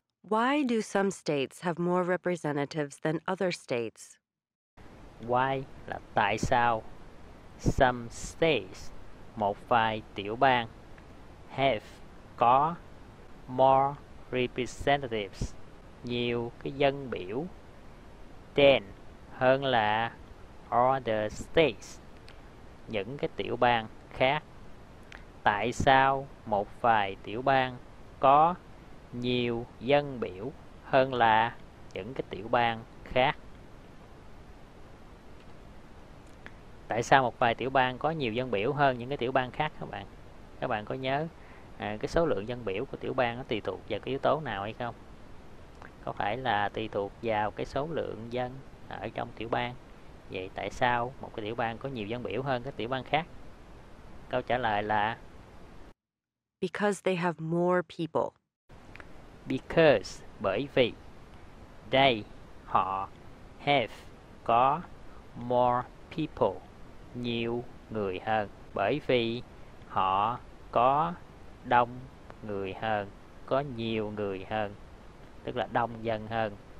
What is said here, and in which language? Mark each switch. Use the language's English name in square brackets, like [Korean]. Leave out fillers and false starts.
[English] Why do some states have more representatives than other states? Why [Vietnamese] là tại sao [English] some states, [Vietnamese] một vài tiểu bang [English] have, [Vietnamese] có [English] more representatives, [Vietnamese] nhiều cái dân biểu [English] than, [Vietnamese] hơn là [English] other states, [Vietnamese] những cái tiểu bang khác. Tại sao một vài tiểu bang có nhiều dân biểu hơn là những cái tiểu bang khác? Tại sao một vài tiểu bang có nhiều dân biểu hơn những cái tiểu bang khác các bạn? Các bạn có nhớ cái số lượng dân biểu của tiểu bang nó tùy thuộc vào cái yếu tố nào hay không? Có phải là tùy thuộc vào cái số lượng dân ở trong tiểu bang? Vậy tại sao một cái tiểu bang có nhiều dân biểu hơn các tiểu bang khác? Câu trả lời là [English] Because they have more people. because, [Vietnamese] bởi vì [English] they, [Vietnamese] họ [English] have, [Vietnamese] có [English] more people, [Vietnamese] nhiều người hơn. Bởi vì họ có đông người hơn, có nhiều người hơn, tức là đông dân hơn.